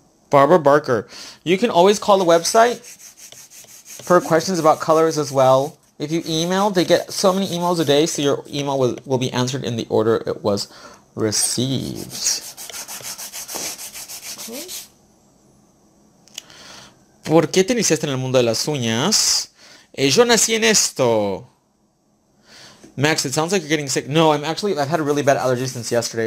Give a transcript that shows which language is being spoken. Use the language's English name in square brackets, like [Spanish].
[English] Barbara Barker, you can always call the website for questions about colors as well. If you email, they get so many emails a day, so your email will be answered in the order it was received. [Spanish] ¿Por qué te iniciaste en el mundo de las uñas? Yo nací en esto. [English] Max, it sounds like you're getting sick. No, I've had a really bad allergy since yesterday.